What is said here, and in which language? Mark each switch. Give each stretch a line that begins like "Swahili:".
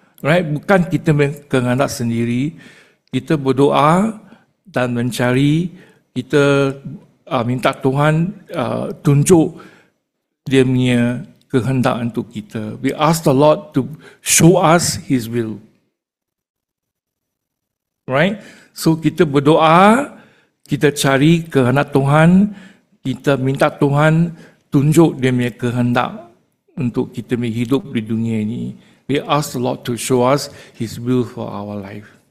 English: Right?
Malay: Bukan kita kehendak sendiri. Kita berdoa dan mencari, kita minta Tuhan tunjuk Dia punya kehendak untuk kita.
English: We ask the Lord to show us His will. Right?
Malay: So kita berdoa, kita cari kehendak Tuhan, kita minta Tuhan tunjuk Dia punya kehendak untuk kita punya hidup di dunia ini.
English: We ask the Lord to show us His will for our life.